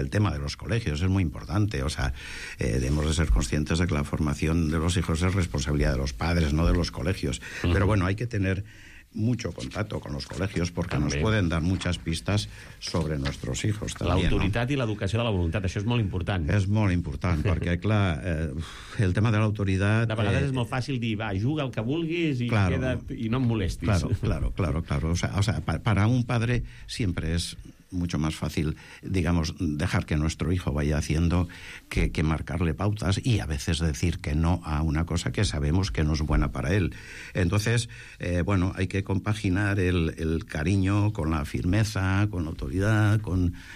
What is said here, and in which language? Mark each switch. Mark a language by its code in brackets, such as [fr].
[es] El tema de los colegios es muy importante, o sea, debemos de ser conscientes de que la formación de los hijos es responsabilidad de los padres, no de los colegios. Uh-huh. Pero bueno, hay que tener mucho contacto con los colegios porque también nos pueden dar muchas pistas sobre nuestros hijos también. [ca] La autoritat, ¿no?, i l'educació de la voluntat, això és molt important. És molt important, perquè, clar, el tema de l'autoritat... De vegades és molt fàcil dir, va, juga el que vulguis i, [es] claro, [ca] queda't, i no em molestis. [es] Claro. O sea, para un padre siempre es mucho más fácil, digamos, dejar que nuestro hijo vaya haciendo que marcarle pautas y a veces decir que no a una cosa que sabemos que no es buena para él. Entonces, hay que compaginar el cariño con la firmeza, con la autoridad, con...